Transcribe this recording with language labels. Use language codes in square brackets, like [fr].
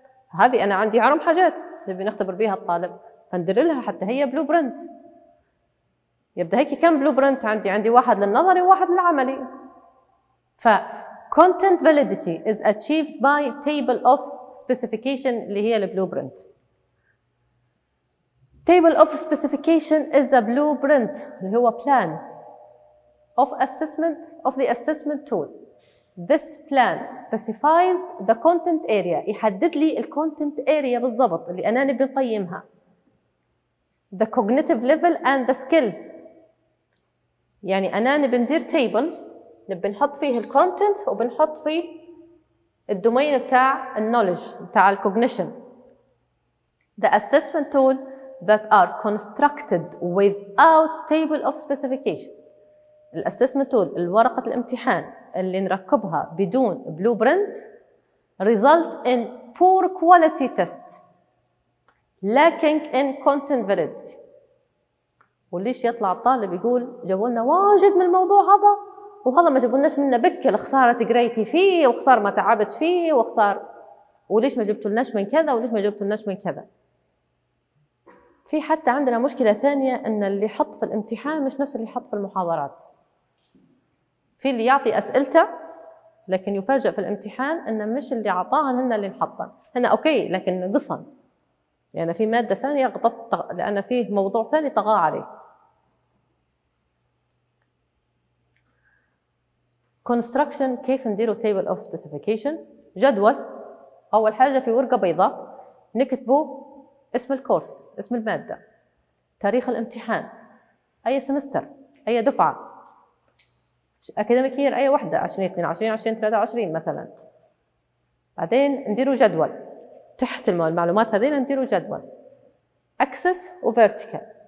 [ar] هذه أنا عندي عرم حاجات نبي نختبر بيها الطالب، فندرلها حتى هي بلو برنت. يبدأ هيك كم بلو برنت عندي، عندي واحد للنظري وواحد للعملي. [en] ف content validity is achieved by table of specification [ar] اللي هي [en] البلو برنت. Table of specification is the blueprint [ar] اللي هو [en] plan of assessment of the assessment tool. This plan specifies the content area. [ar] يحدد لي ال content area بالضبط اللي أنا نبي نقيمها. [en] The cognitive level and the skills. [ar] يعني أنا نبي ندير table نبي نحط فيه ال content وبنحط فيه الدومين بتاع ال knowledge بتاع ال cognition. [en] The assessment tool that are constructed without table of specification. الاسسمنت tool [ar] الورقة الامتحان اللي نركبها بدون [en] Blueprint result in poor quality test lacking in content validity. [ar] وليش يطلع الطالب يقول جابولنا واجد من الموضوع هذا وهذا ما جابولناش منه بك، الخسارة قريتي فيه وخسار ما تعبت فيه وخسار، وليش ما جبتولناش من كذا وليش ما جبتولناش من كذا. في حتى عندنا مشكلة ثانية، إن اللي يحط في الامتحان مش نفس اللي يحط في المحاضرات. في اللي يعطي أسئلته لكن يفاجأ في الامتحان إن مش اللي عطاها هنا اللي نحطها هنا، أوكي لكن قصن، يعني في مادة ثانية غطت لأن فيه موضوع ثاني طغى عليه. Construction كيف نديره table of specification؟ جدول. أول حاجة في ورقة بيضاء نكتبه اسم الكورس، اسم المادة، تاريخ الامتحان، أي سمستر، أي دفعة، أكاديميك يير أي وحدة، 2022 2023 مثلا. بعدين نديروا جدول تحت المعلومات هذين، نديروا جدول أكسس وفيرتيكال.